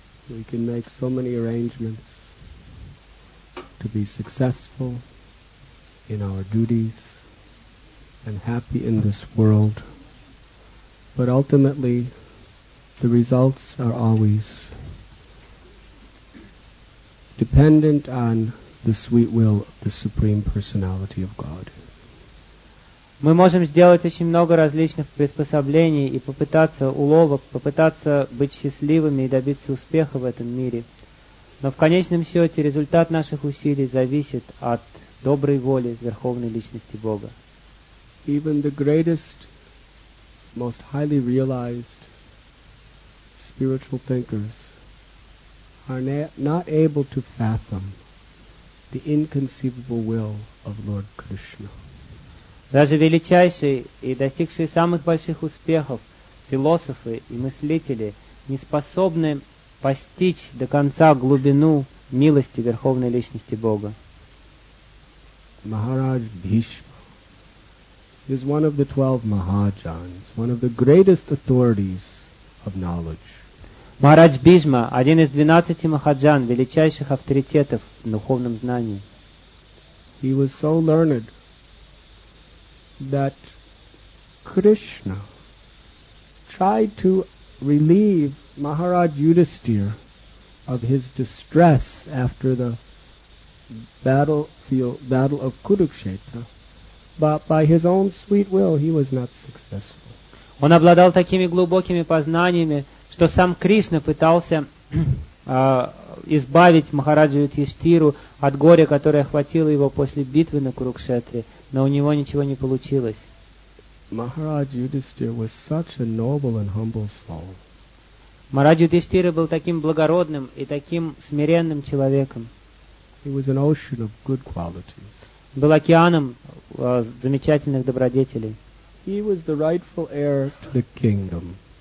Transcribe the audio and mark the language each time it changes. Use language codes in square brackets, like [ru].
[en] We can make so many arrangements to be successful in our duties and happy in this world, but ultimately the results are always dependent on the sweet will of the Supreme Personality of God. [ru] Мы можем сделать очень много различных приспособлений и попытаться уловок, попытаться быть счастливыми и добиться успеха в этом мире. Но в конечном счете результат наших усилий зависит от доброй воли Верховной Личности Бога. [en] Even the greatest, most highly realized spiritual thinkers are not able to fathom the inconceivable will of Lord Krishna. [ru] Даже величайшие и достигшие самых больших успехов философы и мыслители не способны постичь до конца глубину милости Верховной Личности Бога. [en] Maharaj Bhishma is one of the 12 Mahajans, one of the greatest authorities of knowledge. [ru] Махарадж Бхишма, один из 12 махаджан, величайших авторитетов в духовном знании. [en] He was so learned that Krishna tried to relieve Maharaj Yudhisthira of his distress after the battle of Kurukshetra, but by his own sweet will he was not successful. [ru] Он обладал такими глубокими познаниями, что сам Кришна пытался избавить Махараджу Юдхиштхиру от горя, которое охватило его после битвы на Курукшетре, но у него ничего не получилось. [en] Махарадж Юдхиштхира was such a noble and humble soul. [ru] Махарадж Юдхиштхира был таким благородным и таким смиренным человеком. [en] He was an ocean of good qualities. [ru] Был океаном замечательных добродетелей. [en] He was the rightful heir to the kingdom.